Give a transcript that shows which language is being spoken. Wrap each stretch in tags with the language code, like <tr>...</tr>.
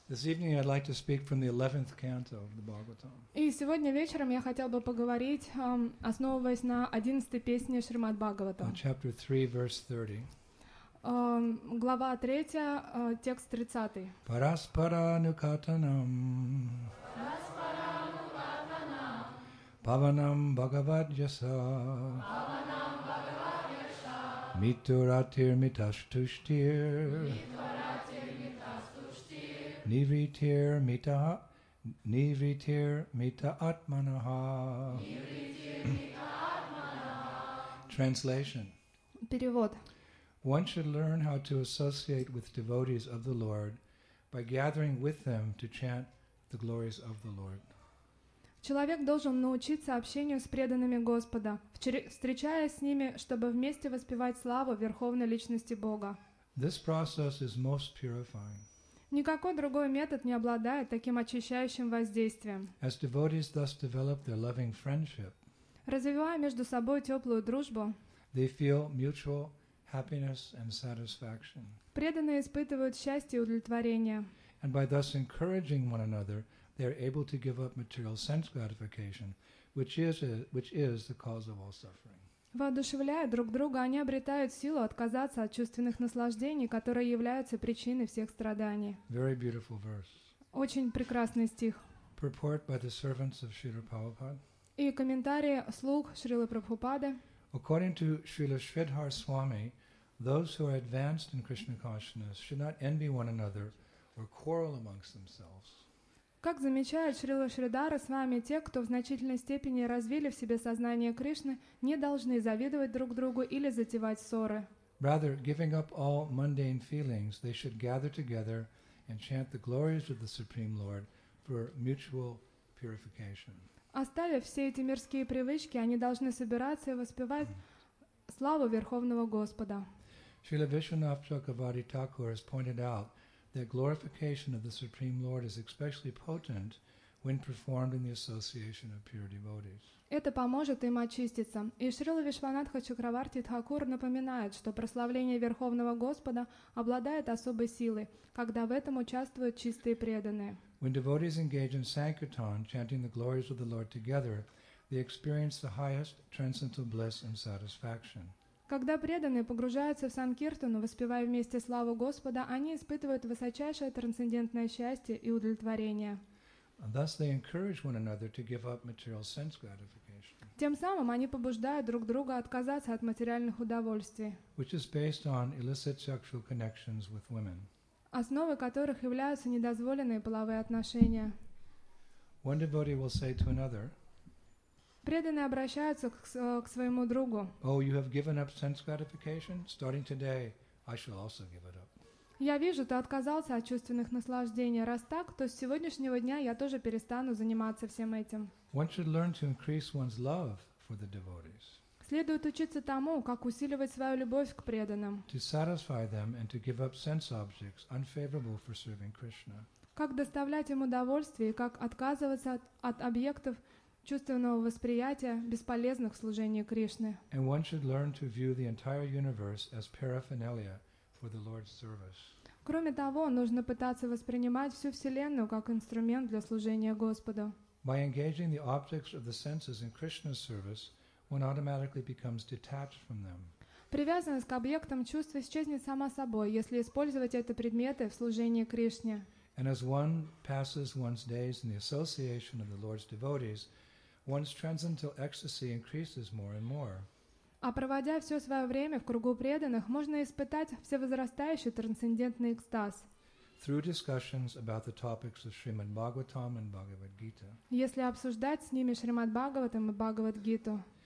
<en>This evening I'd like to speak from the 11th canto of the Bhagavatam.</en> <ru>И сегодня вечером я хотел бы поговорить, основываясь на 11-й песне Шримад Бхагаватам.</ru> <en>Chapter 3, verse 30.</en> <ru>Глава 3, текст 30.</ru> <sa>Параспаранукатанам. Bhavanam Bhagavad Yasa. Bhavanam Bhagavad Yasa. Mituratir Mitashtushtir. Nivritir mita atmanaha.</sa> <en>Translation.</en> <ru>Перевод.</ru> <en>One should learn how to associate with devotees of the Lord by gathering with them to chant the glories of the Lord.</en> <ru>Человек должен научиться общению с преданными Господа, встречаясь с ними, чтобы вместе воспевать славу Верховной Личности Бога.</ru> <en>This process is most purifying.</en> <ru>Никакой другой метод не обладает таким очищающим воздействием.</ru> <en>As devotees thus develop their loving friendship,</en> <ru>развивая между собой теплую дружбу,</ru> <en>they feel mutual happiness and satisfaction.</en> <ru>Преданные испытывают счастье и удовлетворение.</ru> <en>And by thus encouraging one another, they are able to give up material sense gratification, which is the cause of all suffering.</en> <ru>Воодушевляя друг друга, они обретают силу отказаться от чувственных наслаждений, которые являются причиной всех страданий.</ru> <en>Very beautiful verse.</en> <ru>Очень прекрасный стих.</ru> <en>Purport by the servants of Srila Prabhupada.</en> <ru>И комментарии слуг Шрилы Прабхупады.</ru> <en>According to Srila Sridhar Swami, those who are advanced in Krishna consciousness should not envy one another or quarrel amongst themselves.</en> <ru>Как замечает Шрила Шридхара с вами, те, кто в значительной степени развили в себе сознание Кришны, не должны завидовать друг другу или затевать ссоры.</ru> <en>Rather, giving up all mundane feelings, they should gather together and chant the glories of the Supreme Lord for mutual purification.</en> <ru>Оставив все эти мирские привычки, они должны собираться и воспевать славу Верховного Господа.</ru> <en>Шрила Вишванатха Чакраварти Такур has pointed out that glorification of the Supreme Lord is especially potent when performed in the association of pure devotees.</en> <ru>Это поможет им очиститься. И Шрила Вишванатха Чакраварти Тхакур напоминает, что прославление Верховного Господа обладает особой силой, когда в этом участвуют чистые преданные.</ru> <en>When devotees engage in sankirtan, chanting the glories of the Lord together, they experience the highest transcendental bliss and satisfaction.</en> <ru>Когда преданные погружаются в санкиртану, воспевая вместе славу Господа, они испытывают высочайшее трансцендентное счастье и удовлетворение.</ru> <en>Thus they encourage one another to give up material sense gratification.</en> <ru>Тем самым они побуждают друг друга отказаться от материальных удовольствий,</ru> <en>which is based on illicit sexual connections with women.</en> <ru>Основой которых являются недозволенные половые отношения.</ru> <en>One devotee will say to another,</en> <ru>преданные обращаются к своему другу.</ru> <en>Oh, you have given up sense gratification? Starting today, I shall also give it up.</en> <ru>Я вижу, ты отказался от чувственных наслаждений. Раз так, то с сегодняшнего дня я тоже перестану заниматься всем этим.</ru> <en>One should learn to increase one's love for the devotees.</en> <ru>Следует учиться тому, как усиливать свою любовь к преданным.</ru> <en>To satisfy them and to give up sense objects unfavorable for serving Krishna.</en> <ru>Как доставлять им удовольствие и как отказываться от объектов чувственного восприятия бесполезных служения Кришны.</ru> <en>And one should learn to view the entire universe as paraphernalia for the Lord's service.</en> <ru>Кроме того, нужно пытаться воспринимать всю вселенную как инструмент для служения Господу.</ru> <en>By engaging the objects of the senses in Krishna's service, one automatically becomes detached from them.</en> <ru>Привязанность к объектам чувств исчезнет сама собой, если использовать эти предметы в служении Кришне.</ru> <en>And as one passes one's days in the association of the Lord's devotees, one's transcendental ecstasy increases more and more.</en> <ru>А проводя все свое время в кругу преданных, можно испытать всевозрастающий трансцендентный экстаз.</ru> <en>Through discussions about the topics of Srimad Bhagavatam and Bhagavad Gita.</en> <ru>Если обсуждать с ними Шримад Бхагаватам и Бхагавад Гиту.</ru>